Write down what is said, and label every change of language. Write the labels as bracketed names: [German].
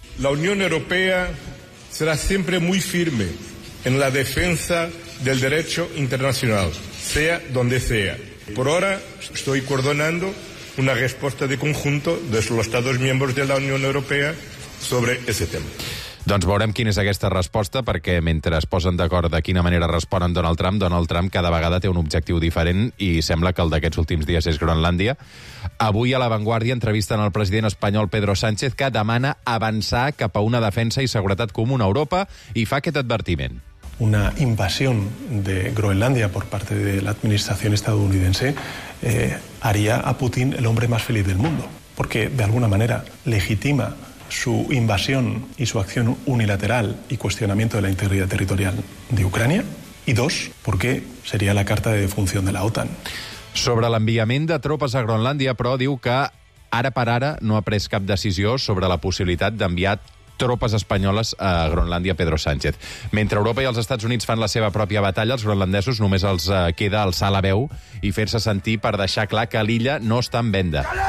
[Catalan] La Unió Europea serà sempre [Spanish] muy firme en la defensa del derecho internacional, sea donde sea. Por ahora, estoy coordinando una resposta de conjunto de los Estados miembros de la Unión Europea sobre ese tema. [Catalan] Doncs veurem quina és aquesta resposta, perquè mentre es posen d'acord de quina manera responen Donald Trump cada vegada té un objectiu diferent i sembla que el d'aquests últims dies és Groenlàndia. Avui a La Vanguardia entrevisten el president espanyol Pedro Sánchez, que demana avançar cap a una defensa i seguretat comuna a Europa i fa aquest advertiment. [Spanish] Una invasión de Groenlandia por parte de la administración estadounidense haría a Putin el hombre más feliz del mundo, porque de alguna manera legitima su invasión y su acción unilateral y cuestionamiento de la integridad territorial de Ucrania, y dos, porque sería la carta de defunción de la OTAN. [Catalan] Sobre l'enviament de tropes a Groenlàndia, però, diu que ara per ara no ha pres cap decisió sobre la possibilitat d'enviar tropes espanyoles a Groenlàndia, Pedro Sánchez. Mentre Europa i els Estats Units fan la seva pròpia batalla, els groenlandesos només els queda alçar la veu i fer-se sentir per deixar clar que l'illa no està en venda.